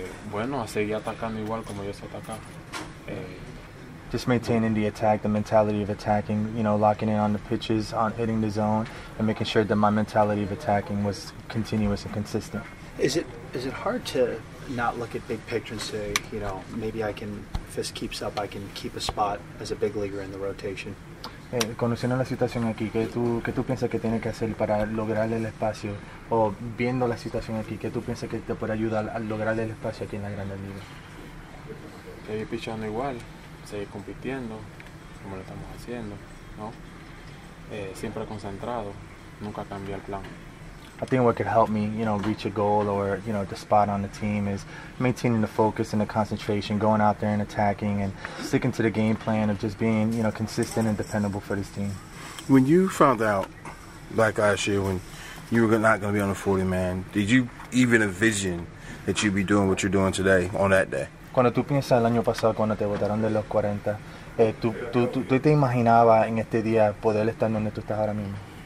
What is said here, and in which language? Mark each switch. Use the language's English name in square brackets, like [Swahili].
[Spanish] Bueno, a seguir atacando igual como yo sé atacar. [English] Just maintaining the attack, the mentality of attacking, you know, locking in on the pitches, on hitting the zone, and making sure that my mentality of attacking was continuous and consistent. Is it hard to not look at big picture and say, you know, maybe I can, if this keeps up, I can keep a spot as a big leaguer in the rotation? [Spanish] Conociendo la situación aquí, ¿qué tú piensas que tienes que hacer para lograr el espacio? O viendo la situación aquí, ¿qué tú piensas que te puede ayudar a lograr el espacio aquí en la Grande Liga? Seguir pichando igual. Seguir compitiendo, como lo estamos haciendo, ¿no? Siempre concentrado, nunca cambié el plan. [English] I think what could help me, you know, reach a goal or, you know, the spot on the team is maintaining the focus and the concentration, going out there and attacking and sticking to the game plan of just being, you know, consistent and dependable for this team. When you found out, like last year, when you were not going to be on the 40-man, did you even envision that you'd be doing what you're doing today on that day? [Spanish] Cuando tú piensas el año pasado, cuando te votaron de los 40, ¿tú te imaginabas en este día poder estar donde tú estás ahora mismo?